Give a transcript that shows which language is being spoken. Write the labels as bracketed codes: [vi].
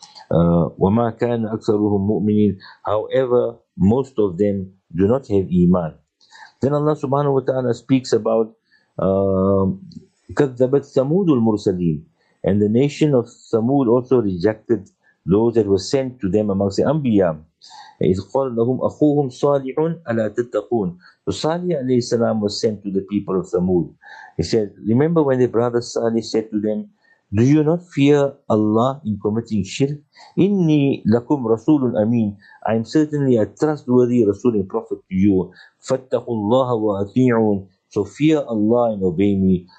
[ar] وَمَا كَانَ أَكْثَرُهُمْ مُؤْمِنِينَ [en] However, most of them do not have iman. Then Allah subhanahu wa ta'ala speaks about [ar] كَذَّبَتْ ثَمُودُ الْمُرْسَلِينَ [en] And the nation of Thamud also rejected those that were sent to them amongst the Anbiya. [ar] إذ قال لهم أخوهم صالح ألا تتقون. [en] So Salih alayhi salam was sent to the people of Thamud. He said, remember when the brother Salih said to them, do you not fear Allah in committing shirk? [ar] Inni lakum rasulun amin. [en] I am certainly a trustworthy rasul and prophet to you. [ar] Fattakullaha wa ati'un. [en] So fear Allah and obey me.